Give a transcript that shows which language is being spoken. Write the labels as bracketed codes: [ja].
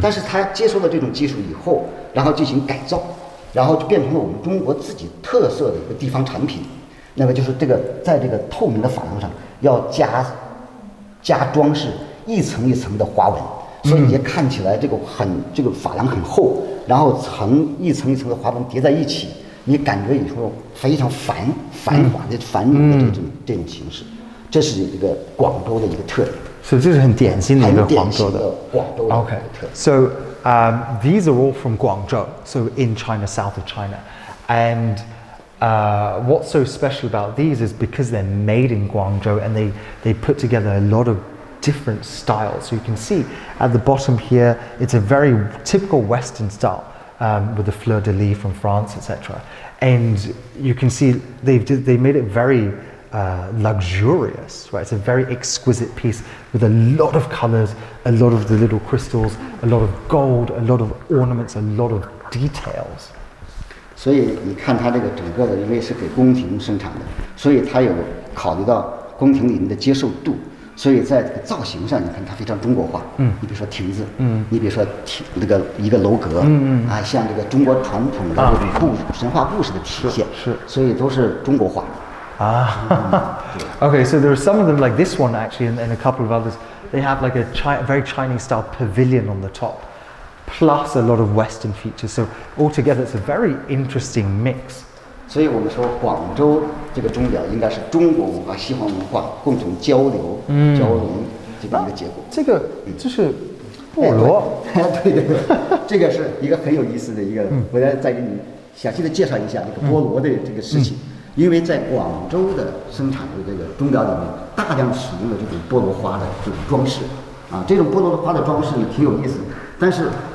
[zh] 但是它接收了这种技术以后，然后进行改造，然后就变成了我们中国自己特色的一个地方产品，那么就是这个在这个透明的珐琅上要加装饰一层一层的花纹，所以也看起来这个珐琅很厚。然后层一层一层的花纹叠在一起，你感觉以后非常繁华的、嗯、繁荣的这种形式，这是一个广州的一个特点。所以这是很典型的一个广州的。广州的。 [en] OK. So, these are all from Guangzhou, so in China, south of China, and what's so special about these is because they're made in Guangzhou and they put together a lot of. Different styles. So you can see at the bottom here, it's a very typical Western style, with the fleur-de-lis from France, etc. And you can see they made it very luxurious, right? It's a very exquisite piece with a lot of colors, a lot of the little crystals, a lot of gold, a lot of ornaments, a lot of details. So you can see that the whole thing is because it's for the court, so it has considered the court inside the acceptance. [zh] 所以在这个造型上你看它非常中国化嗯你比如说亭子嗯你比如说那个一个楼阁嗯啊像这个中国传统的这个神话故事的体现是所以都是中国化 [en] 啊、嗯、对 OK so there are some of them like this one actually and a couple of others they have like a very Chinese style pavilion on the top plus a lot of Western features so altogether it's a very interesting mix [zh] 所以我们说广州这个钟表应该是中国文化西方文化共同交流、嗯、交融这个一个结果这个就是菠萝、嗯哎、对这个是一个很有意思的一个、嗯、我再给你详细的介绍一下这个菠萝的这个事情、嗯、因为在广州的生产的这个钟表里面大量使用了这种菠萝花的这种装饰啊，这种菠萝花的装饰也挺有意思的但是